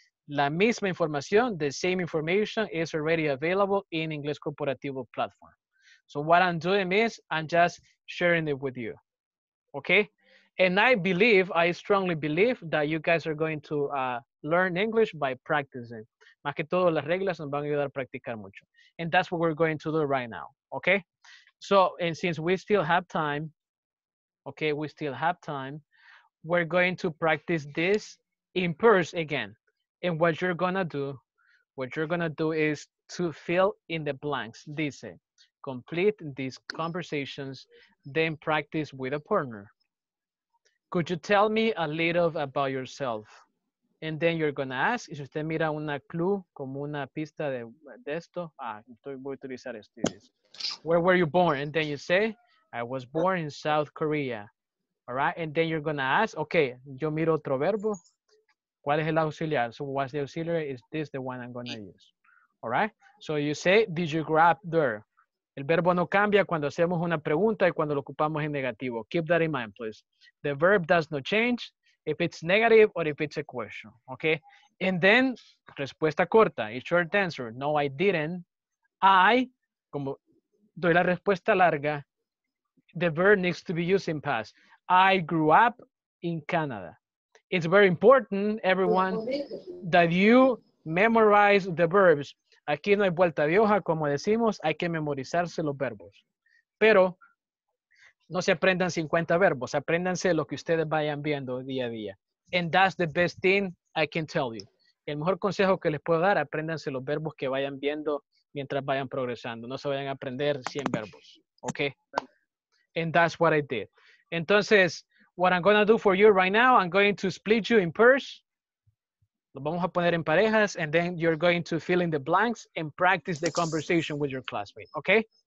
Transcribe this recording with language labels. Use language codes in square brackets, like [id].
[es] La misma información, [en] the same information is already available in Inglés Corporativo platform. So what I'm doing is I'm just sharing it with you. Okay? And I believe, I strongly believe that you guys are going to learn English by practicing. [es] Más que todo, las reglas nos van a ayudar a practicar mucho. [en] And that's what we're going to do right now. Okay? So, and since we still have time, okay, we still have time, we're going to practice this in person again. And what you're going to do, what you're going to do is to fill in the blanks. Dice, complete these conversations, then practice with a partner. Could you tell me a little about yourself? And then you're going to ask, [es] si usted mira una clue, como una pista de esto, voy a utilizar esto. [en] Where were you born? And then you say, I was born in South Korea. All right? And then you're going to ask, okay, [es] yo miro otro verbo. ¿Cuál es el auxiliar? [en] So what's the auxiliary? Is this the one I'm going to use? All right? So you say, did you grow up there? [es] El verbo no cambia cuando hacemos una pregunta y cuando lo ocupamos en negativo. [en] Keep that in mind, please. The verb does not change if it's negative or if it's a question. Okay? And then, [es] respuesta corta, [en] a short answer. No, I didn't. I, [es] como doy la respuesta larga, [en] the verb needs to be used in past. I grew up in Canada. It's very important, everyone, that you memorize the verbs. [es] Aquí no hay vuelta de hoja, como decimos, hay que memorizarse los verbos. Pero no se aprendan 50 verbos, apréndanse lo que ustedes vayan viendo día a día. [en] And that's the best thing I can tell you. [es] El mejor consejo que les puedo dar, apréndanse los verbos que vayan viendo mientras vayan progresando. No se vayan a aprender 100 verbos, okay? [en] And that's what I did. Entonces, what I'm going to do for you right now, I'm going to split you in pairs. [es] Lo vamos a poner en parejas, [en] and then you're going to fill in the blanks and practice the conversation with your classmate, okay?